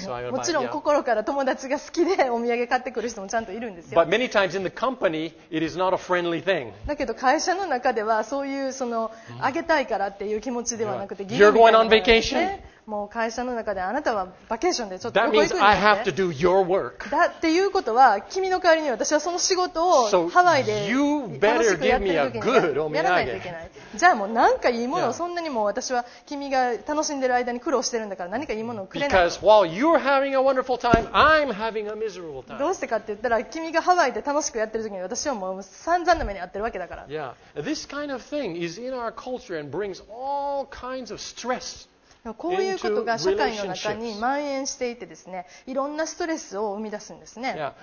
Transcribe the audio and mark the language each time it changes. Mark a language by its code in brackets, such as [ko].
[ja] もちろん心から友達が好きでお土産買ってくる人もちゃんといるんですよ。 [en] But many times in the company, it is not a friendly thing. [ja] だけど会社の中ではそういうそのあげたいからっていう気持ちではなくて、 [en] You're going on vacation? [ja] もう会社の中であなたはバケーションでちょっとどこ行くんですね。 [en] That means I have to do your work. [ja] だっていうことは君の代わりに私はその仕事をハワイで楽しくやってる時にやらないといけない。じゃあもうなんかいいものをそんなにもう私は君が楽しんでる間に苦労してるんだから何かいいものをくれない。 [en] Because while you're having a wonderful time, I'm having a miserable time. [ja] どうしてかって言ったら君がハワイで楽しくやってる時に私はもう散々な目に遭ってるわけだから。 [en] Yeah, this kind of thing is in our culture and brings all kinds of stress. [ja] こういうことが社会の中に蔓延していてですね、いろんなストレスを生み出すんですね。